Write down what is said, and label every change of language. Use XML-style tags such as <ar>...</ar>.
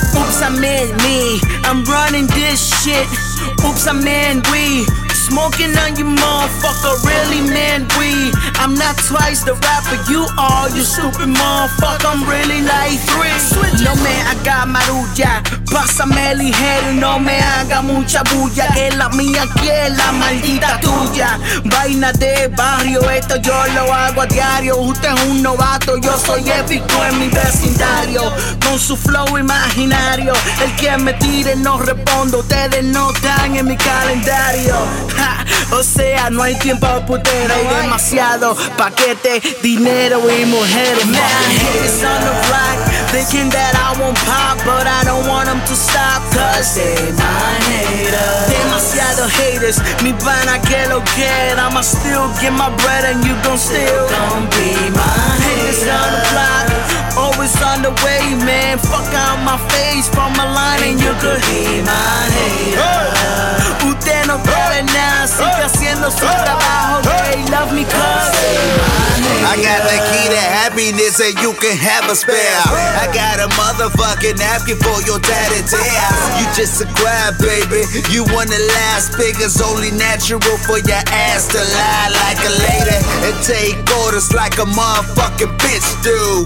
<en>Oops, I meant me, I'm running this shit. Oops, I meant we, smoking on you motherfucker, really meant we. I'm not twice the rapper you are, you stupid motherfucker, I'm really like three. No man, I got marulla,</en> <es>pásame el ligero. No me haga mucha bulla, que la mía que es la maldita tuya. Vaina de barrio, esto yo lo hago a diario. Usted es un novato, yo soy épico en mi vecindario. Con su flow imaginario, el que me tire no respondo. Ustedes no están en mi calendario. Ja, o sea, no hay tiempo para putero. Hay demasiado paquete, dinero y mujeres.</es> <en>Man, haters on the block, thinking that I won't pop, but I don't want them to stop, cause they my haters.</en> <es>Demasiado haters, mi pana que lo</es> <en>que, I'ma still get my bread and you gon' still gon' be my haters. On the block, always on the way, man. Fuck out my face from my line, and you could be my hater.</en> <es>Usted no puede nada, sigue haciendo su trabajo.</es> <en>They love me cause I got the key to happiness and you can have a spare. I got a motherfucking napkin for your daddy tear. You just a crab, baby. You want the last figures, only natural for your ass to lie like a lady and take orders like a motherfucking bitch do.</en>